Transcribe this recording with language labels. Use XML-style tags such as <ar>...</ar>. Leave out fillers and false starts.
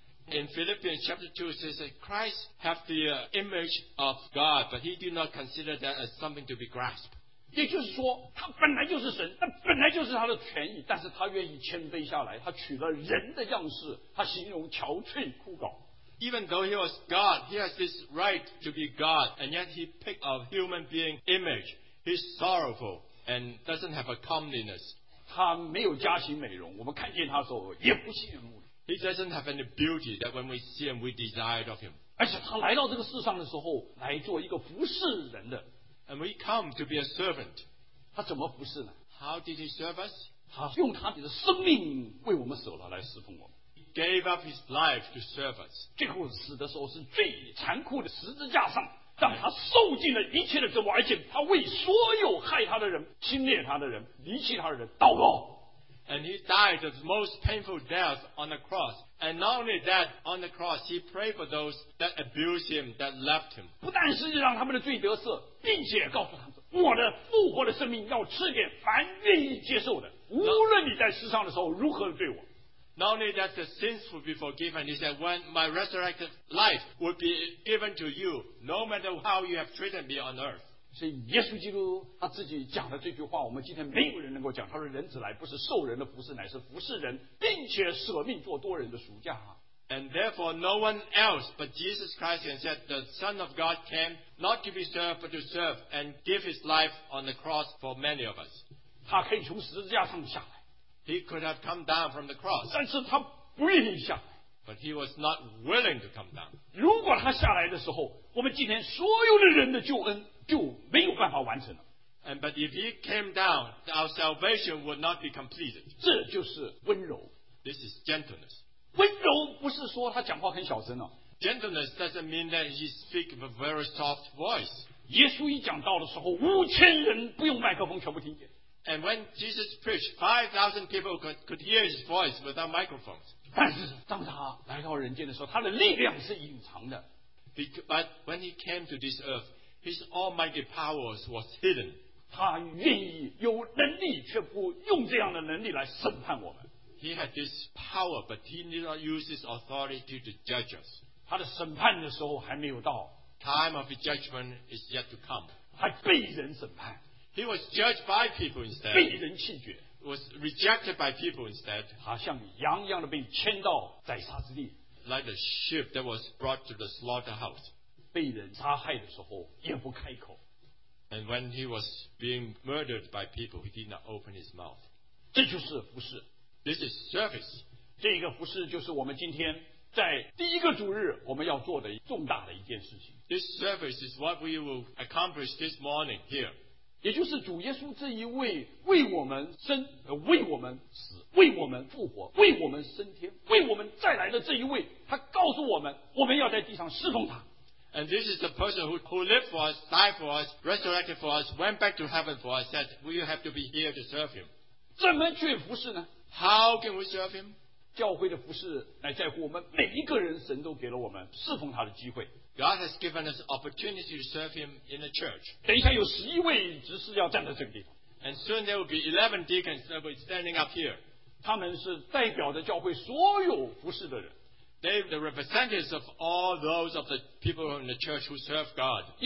<en>In Philippians chapter 2, it says that Christ had the image of God, but He did not consider that as something to be grasped.</en> <zh>也就是说他本来就是神，他本来就是他的权益，但是他愿意谦卑下来，他取了人的样式，他形容憔悴枯槁。</zh> <en>Even though he was God, he has this right to be God, and yet he picked a human being image. He's sorrowful and doesn't have a comeliness.</en> <zh>他没有加行美容，我们看见他的时候也不羡慕。</zh> <en>He doesn't have any beauty that when we see him we desired of him.</en> <zh>而且他来到这个世上的时候来做一个服侍人的。</zh> <en>And we come to be a servant.</en> <zh>他怎么服侍呢？</zh> <en>How did he serve us?</en> <zh>他用他的生命为我们舍了，来侍奉我们。</zh> <en>He gave up his life to serve us.</en> <zh>最后死的时候是最残酷的十字架上，让他受尽了一切的折磨，而且他为所有害他的人、轻蔑他的人、离弃他的人祷告。</zh> <en>And he died the most painful death on the cross. And not only that, on the cross, he prayed for those that abused him, that left him.</en> <zh>不但是让他们的罪得赦，并且告诉他们，我的复活的生命要赐给凡愿意接受的，无论你在世上的时候如何对我。</zh> <en>Not only that the sins will be forgiven, he said, when my resurrected life will be given to you, no matter how you have treated me on earth.</en> <zh>所以耶稣基督他自己讲的这句话我们今天没有人能够讲，他说人子来不是受人的服侍，乃是服侍人，并且舍命做多人的赎价。</zh> <en>And therefore no one else but Jesus Christ can say the Son of God came not to be served but to serve and give his life on the cross for many of us.</en> <zh>他可以从十字架上下来，</zh> <en>He could have come down from the cross.</en> <zh>但是他不愿意下来，</zh> <en>But he was not willing to come down.</en> <zh>如果他下来的时候，我们今天所有的人的救恩就没有办法完成了。</zh> <en>And but if he came down, our salvation would not be completed.</en> <zh>这就是温柔。</zh> <en>This is gentleness.</en> <zh>温柔不是说他讲话很小声了。</zh> <en>Gentleness doesn't mean that he speaks with a very soft voice.</en> <zh>耶稣一讲道的时候，五千人不用麦克风全部听见。</zh> <en>And when Jesus preached, 5,000 people could hear his voice without microphones.</en> <zh>但是当他来到人间的时候，他的力量是隐藏的。</zh> <en>But when he came to this earth,His almighty powers was hidden.</en> <zh>他愿意有能力，却不用这样的能力来审判我们。</zh> <en>He had this power, but he did not use his authority to judge us.</en> <zh>他的审判的时候还没有到。</zh> <en>Time of judgment is yet to come.</en> <zh>还被人审判。</zh> <en>He was judged by people instead.</en> <zh>被人弃绝。</zh> <en>Was rejected by people instead.</en> <zh>他像羊一样的被牵到宰杀之地。</zh> <en>Like the sheep that was brought to the slaughterhouse.</en> <zh>被人杀害的时候也不开口。</zh> <en>And when he was being murdered by people, he did not open his mouth.</en> <zh>这就是服事。</zh> <en>This is service.</en> <zh>这个服事就是我们今天在第一个主日我们要做的重大的一件事情。</zh> <en>This service is what we will accomplish this morning here.</en> <zh>也就是主耶稣这一位为我们生、为我们死、为我们复活、为我们升天、为我们再来的这一位，他告诉我们，我们要在地上侍奉他。</zh> <en>And this is the person who lived for us, died for us, resurrected for us, went back to heaven for us, that we have to be here to serve him.</en> <zh>怎么去服侍呢？</zh> <en>How can we serve him?</en> <zh>教会的服侍乃在乎我们每一个人，神都给了我们侍奉他的机会。</zh> <en>God has given us opportunity to serve him in the church.</en> <zh>等一下有十一位执事要站在这个地方。</zh> <en>And soon there will be 11 deacons that will be standing up here.</en> <zh>他们是代表着教会所有服侍的人。</zh> <en>They are the representatives of all those of the people in the church who serve God.</en>